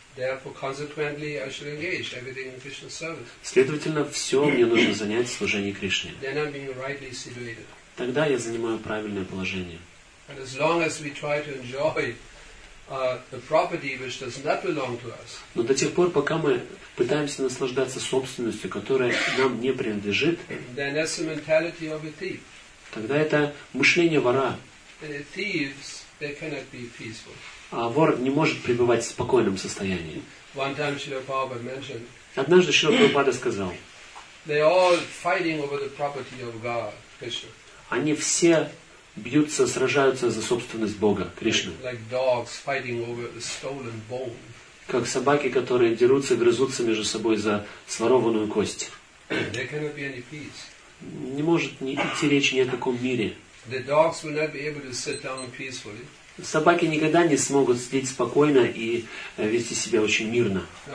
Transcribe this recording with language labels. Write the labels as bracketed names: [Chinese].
[English] Therefore, consequently, I should engage everything in Krishna's service. [Russian] Следовательно, все мне нужно занять в служении Кришне. [English] Then I'm being rightly situated. [Russian] Тогда я занимаю правильное положение. [English] And as long as we try to enjoy the property which does not belong to us. [Russian] Но до тех пор, пока мы пытаемся наслаждаться собственностью, которая нам не принадлежит, [English] then that's the mentality of a thief. [Russian] Тогда это мышление вора. [English] And the thieves, they cannot be peaceful. [Russian] А вор не может пребывать в спокойном состоянии. [English] One time Srila Prabhupada mentioned, [Russian] однажды Шрила Прабхупада сказал, [English] they all fighting over the property of God, Krishna. [Russian] Они все бьются, сражаются за собственность Бога, Кришны. [English] Like dogs fighting over a stolen bone. [Russian] Как собаки, которые дерутся, грызутся между собой за сворованную кость. [English] There cannot be any peace. [Russian] Не может ни идти речь ни о каком мире. [English] The dogs will not be able to sit down peacefully. [Russian] Собаки никогда не смогут сидеть спокойно и вести себя очень мирно.